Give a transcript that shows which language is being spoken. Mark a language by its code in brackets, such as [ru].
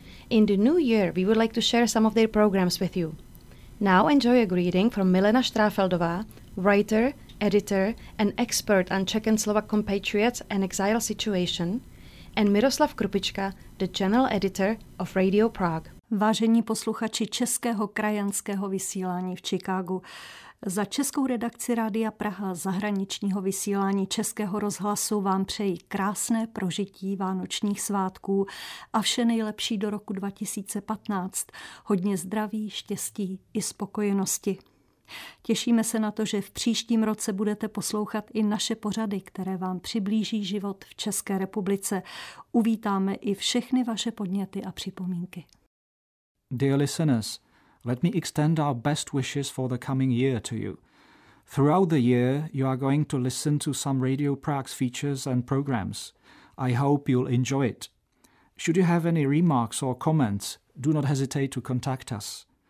[en] In the new year, we would like to share some of their programs with you. Now enjoy a greeting from Milena Štráfeldová, writer, editor, and expert on Czech and Slovak compatriots and exile situation, and Miroslav Krupička, the general editor of Radio Prague. [cs] Vážení posluchači českého krajanského vysílání v Chicagu, za českou redakci Rádia Praha zahraničního vysílání Českého rozhlasu vám přeji krásné prožití vánočních svátků a vše nejlepší do roku 2015. Hodně zdraví, štěstí i spokojenosti. Těšíme se na to, že v příštím roce budete poslouchat i naše pořady, které vám přiblíží život v České republice. Uvítáme i všechny vaše podněty a připomínky. [en] Dear listeners, let me extend our best wishes for the coming year to you. Throughout the year, you are going to listen to some Radio Prague's features and programs. I hope you'll enjoy it. Should you have any remarks or comments, do not hesitate to contact us.